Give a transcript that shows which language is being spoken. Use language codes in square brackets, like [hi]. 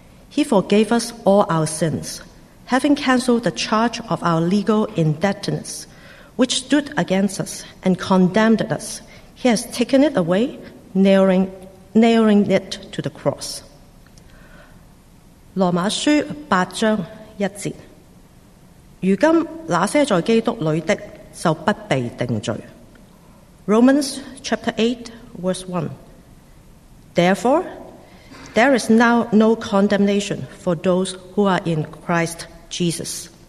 [en] He forgave us all our sins, having cancelled the charge of our legal indebtedness, which stood against us and condemned us. He has taken it away, nailing it to the cross. [zh] 罗马书8:1。如今那些在基督里的就不被定罪。 [en] Romans chapter 8, verse 1. Therefore, there is now no condemnation for those who are in Christ Jesus.